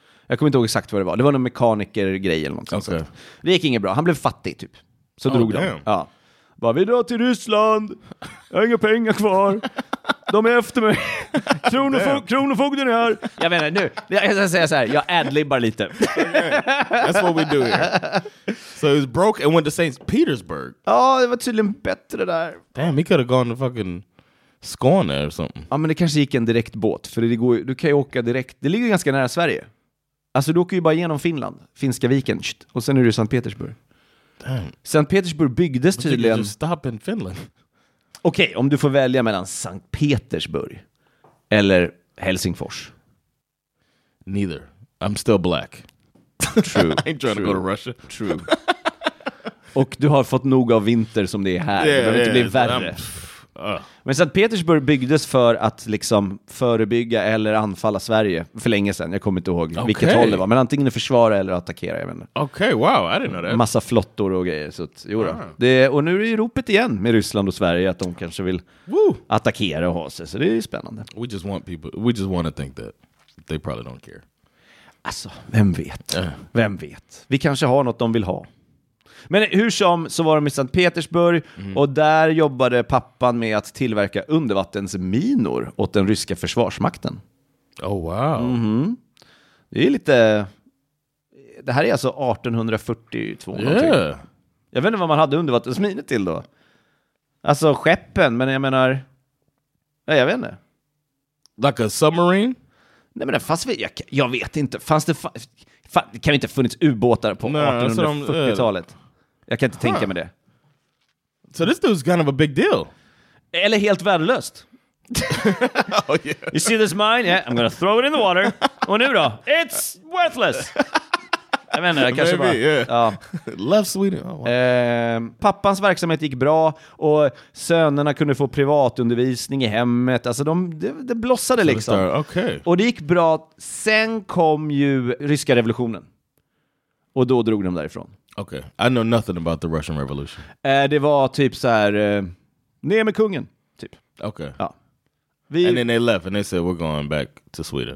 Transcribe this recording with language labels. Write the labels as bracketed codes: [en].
[sv] Jag kommer inte ihåg exakt vad det var. Det var någon mekaniker-grej eller något sånt. Det gick inget bra. Han blev fattig typ. Så drog de. Ja. Bara, vi drar till Ryssland. Jag har inga pengar kvar. De är efter mig. Kronofogden är här. Jag menar nu, jag ska säga så här, jag adlibbar lite. [en] That's what we do here. So he was broke and went to St. Petersburg. [sv] Ja, oh, det var tydligen bättre där. [en] Damn, he could have gone to fucking Skåne or something. [sv] Ja, men det kanske gick en direkt båt. För det går, du kan ju åka direkt. Det ligger ganska nära Sverige. Alltså du åker ju bara genom Finland, Finska viken. Och sen är du i St. Petersburg. St. Petersburg byggdes tydligen. [en] But you just stop in Finland. [sv] Okej, om du får välja mellan Sankt Petersburg eller Helsingfors. [en] Neither. I'm still black. True. I ain't trying to go to Russia. True. [sv] Och du har fått nog av vinter som det är här. Yeah, det behöver inte bli värre. Men Sankt Petersburg byggdes för att liksom förebygga eller anfalla Sverige för länge sedan. Jag kommer inte ihåg vilket håll det var. Men antingen försvara eller attackera. [en] Okej, okay, wow. I didn't know that. [sv] Massa flottor och grejer. Så att, jo då. Det, och nu är det ju ropet igen med Ryssland och Sverige att de kanske vill attackera och ha sig. Så det är ju spännande. [en] We just want people, we just want to think that they probably don't care. [sv] Alltså, vem vet? Vem vet? Vi kanske har något de vill ha. Men hur som så var de i Sankt Petersburg och där jobbade pappan med att tillverka undervattensminor åt den ryska försvarsmakten. [en] Oh wow. [sv] Mm-hmm. Det är lite... Det här är alltså 1842. Yeah. Jag vet inte vad man hade undervattensminor till då. Alltså skeppen, men jag menar... Nej, jag vet inte. [en] Like a submarine? [sv] Nej, men det fanns... Jag vet inte. Fanns det... Det kan ju inte ha funnits ubåtar på 1840-talet. Jag kan inte tänka mig det. [en] So this dude's kind of a big deal. Eller helt värdelöst. Oh, yeah. You see this mine? Yeah, I'm gonna throw it in the water. [sv] Och nu då? It's worthless. Jag menar, jag kanske [en] maybe, [sv] bara... [en] Yeah. Ja. Love Sweden. Oh, wow. [sv] Pappans verksamhet gick bra. Och sönerna kunde få privatundervisning i hemmet. Alltså det blossade so liksom. [en] Okay. [sv] Och det gick bra. Sen kom ju ryska revolutionen. Och då drog de därifrån. [en] Okay, I know nothing about the Russian Revolution. [sv] Det var typ så här, ner med kungen, typ. [en] Okay. [sv] Ja. [en] And then they left and they said we're going back to Sweden.